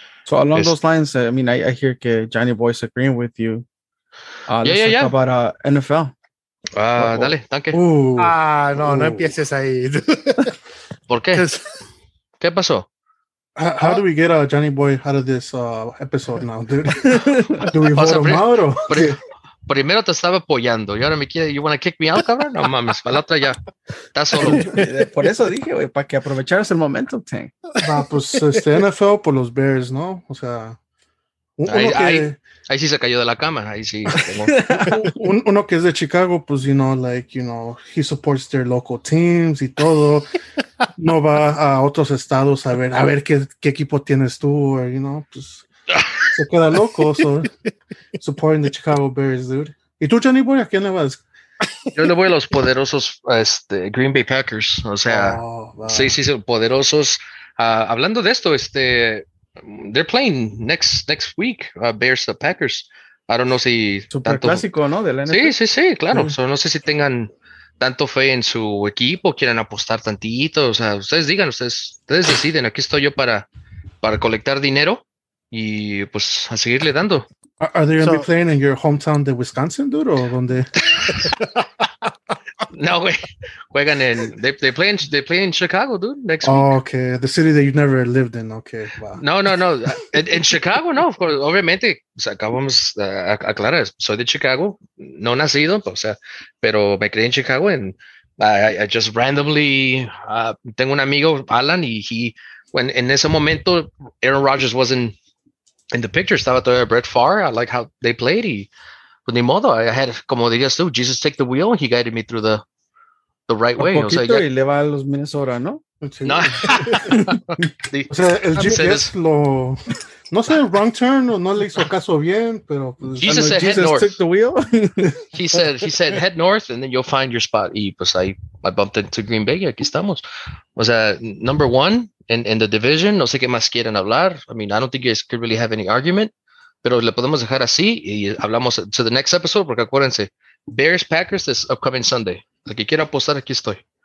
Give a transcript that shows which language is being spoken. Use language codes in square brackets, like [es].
[en] So along those lines, I mean, I hear que Johnny Boy's agreeing with you. Let's talk about NFL. [es] Dale, danke. No empieces ahí. ¿Por qué? ¿Qué pasó? [en] How do we get Johnny Boy out of this episode now, dude? Do we vote him out? [es] Primero te estaba apoyando y ahora me quiere. [en] You want to kick me out, [es] cabrón? No mames, para la otra ya. Está solo. Por eso dije, güey, para que aprovecharas el momento, Tank. Ah, pues NFL por los Bears, ¿no? O sea. Ahí sí se cayó de la cama. Ahí sí. Uno que es de Chicago, pues, [en] you know, he supports their local teams [es] y todo. No va a otros estados a ver qué equipo tienes tú, [en] or, you know, [es] pues. Se queda loco, [en] so supporting the Chicago Bears, dude. [es] ¿Y tú, Johnny Boy, a quién le vas? Yo le voy a los poderosos Green Bay Packers, o sea, sí, poderosos. Hablando de esto, [en] they're playing next week, Bears the Packers. I don't know si [es] tanto... clásico, ¿no? De la NFL. Sí, claro. Yeah. So no sé si tengan tanto fe en su equipo, quieran apostar tantito, o sea, ustedes deciden, aquí estoy yo para colectar dinero. Y pues a seguirle dando. [en] Are they going to be playing in your hometown de Wisconsin, dude, [es] o donde? No, güey. Juegan en [en] they play in Chicago, dude, next week. Oh, okay. The city that you never lived in. Okay. Wow. No. In Chicago, no, of course. [es] Obviamente, o sea, acabamos aclarar, soy de Chicago, no nacido, o sea, pero me crié en Chicago [en] I just randomly [es] tengo un amigo Alan y en ese momento Aaron Rodgers [en] wasn't in the picture, [es] estaba todavía Brett Favre. [en] I like how they played. [es] Y, pues, ni modo. [en] I had, [es] como dirías tú, [en] Jesus take the wheel. He guided me through the right way. [es] O sea, y le va a los Minnesota, ¿no? Sí. No. O sea, el GPS lo... No sé, [en] wrong turn, [es] o no le hizo caso bien, pero... [en] Pues, Jesus said head north. Took the wheel. he said head north, and then you'll find your spot. [es] Y pues [en] I bumped into [es] Green Bay, y aquí estamos. O sea, [en] number one in the division, [es] no sé qué más quieren hablar. [en] I mean, I don't think you guys could really have any argument, [es] pero le podemos dejar así, y hablamos [en] to the next episode, [es] porque acuérdense, [en] Bears-Packers this upcoming Sunday. [es] El que quiera apostar, aquí estoy.